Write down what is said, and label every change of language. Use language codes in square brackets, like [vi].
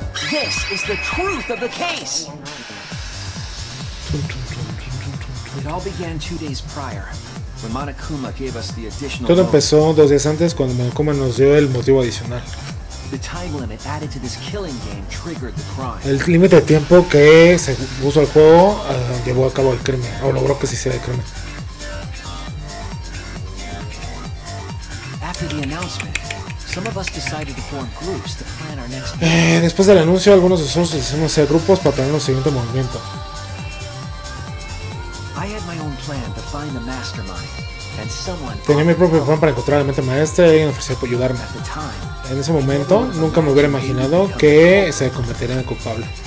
[en] This is the truth of the case. It all began 2 days prior, when Monokuma gave us the additional. [es] Todo empezó 2 días antes cuando Monokuma nos dio el motivo adicional. [en] The time limit added to this killing game triggered the crime. [es] El límite de tiempo que se puso al juego llevó a cabo el crimen, o logró que se hiciera el crimen. [en] After the announcement, some of us decided to form groups to plan our next. [es] Después del anuncio, algunos de nosotros decidimos hacer grupos para planear nuestro siguiente movimiento. [en] I had my own plan to find the mastermind. [es] Tenía mi propio plan para encontrar a la mente maestra y alguien ofreció para ayudarme. En ese momento, nunca me hubiera imaginado que se convertiría en el culpable.